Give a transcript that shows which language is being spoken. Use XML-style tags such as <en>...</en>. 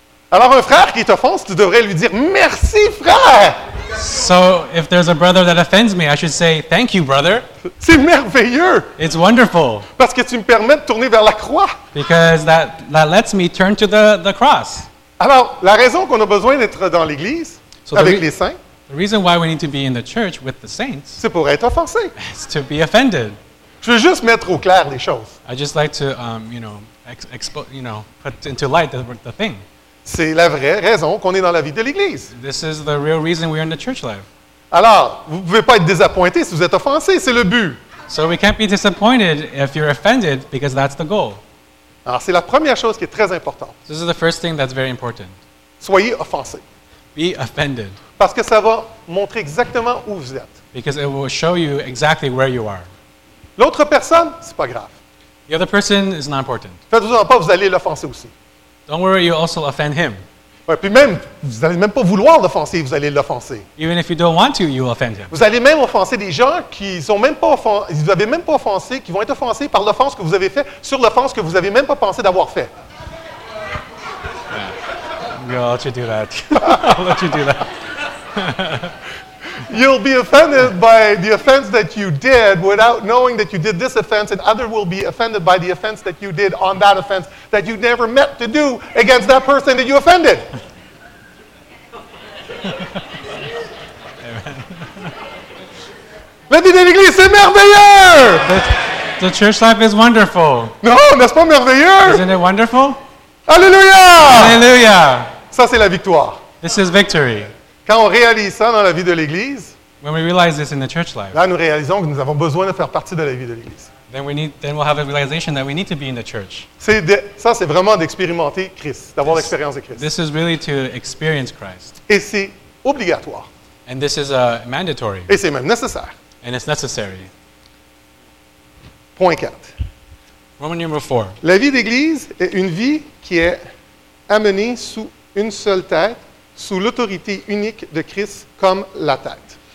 <fr>Alors un frère qui t'offense, tu devrais lui dire merci frère.</fr> <en>So if there's a brother that offends me, I should say thank you brother.</en> <fr>C'est merveilleux.</fr> <en>It's wonderful.</en> <fr>Parce que tu me permets de tourner vers la croix.</fr> <en>Because that lets me turn to the cross.</en> <fr>Alors la raison qu'on a besoin d'être dans l'église avec les saints.</fr> <en>The reason why we need to be in the church with the saints.</en> <fr>C'est pour être offensé.</fr> <en>It's to be offended.</en> <fr>Je veux juste mettre au clair les choses.</fr> <en>I just like to put into light the thing.</en> <fr>C'est la vraie raison qu'on est dans la vie de l'Église.</fr> <en>This is the real reason we are in the church life.</en> <fr>Alors, vous ne pouvez pas être désappointé si vous êtes offensé, c'est le but.</fr> <en>So we can't be disappointed if you're offended because that's the goal.</en> <fr>Alors, c'est la première chose qui est très importante.</fr> <en>This is the first thing that's very important.</en> <fr>Soyez offensé.</fr> <en>Be offended.</en> <fr>Parce que ça va montrer exactement où vous êtes.</fr> <en>Because it will show you exactly where you are.</en> <fr>L'autre personne, c'est pas grave.</fr> <en>The other person is not important.</en> <fr>Faites-vous-en pas, vous allez l'offenser aussi.</fr> <en>Don't worry, you also offend him.</en> <fr>Ouais, puis même, vous n'allez même pas vouloir l'offenser, vous allez l'offenser.</fr> <en>Even if you don't want to, you offend him.</en> <fr>Vous allez même offenser des gens qui sont même pas offensés, vous avez même pas offensé, qui vont être offensés par l'offense que vous avez fait sur l'offense que vous avez même pas pensé d'avoir fait.</fr> <en>Yeah. I'll let you do that. I'll let you do that. You'll be offended by the offense that you did without knowing that you did this offense, and others will be offended by the offense that you did on that offense that you never meant to do against that person that you offended.</en> <fr>La vie de l'église, c'est merveilleux!</fr> <en>The church life is wonderful.</en> <fr>Non, n'est-ce pas merveilleux?</fr> <en>Isn't it wonderful?</en> <fr>Alléluia!</fr> <en>Alléluia!</en> <fr>Ça, c'est la victoire.</fr> <en>This is victory.</en> <fr>Quand on réalise ça dans la vie de l'Église,</fr> <en>when we realize this in the church life,</en> <fr>là, nous réalisons que nous avons besoin de faire partie de la vie de l'Église.</fr> <en>We'll have a realization that we need to be in the church.</en> <fr>Ça, c'est vraiment d'expérimenter Christ, d'avoir l'expérience de Christ.</fr> <en>This is really to experience Christ.</en> <fr>Et c'est obligatoire.</fr> <en>And this is mandatory.</en> <fr>Et c'est même nécessaire.</fr> <en>And it's necessary.</en> <fr>Point 4.</fr> <en>Roman number 4.</en> <fr>La vie d'Église est une vie qui est amenée sous une seule tête, sous l'autorité unique de Christ comme la tête.</fr>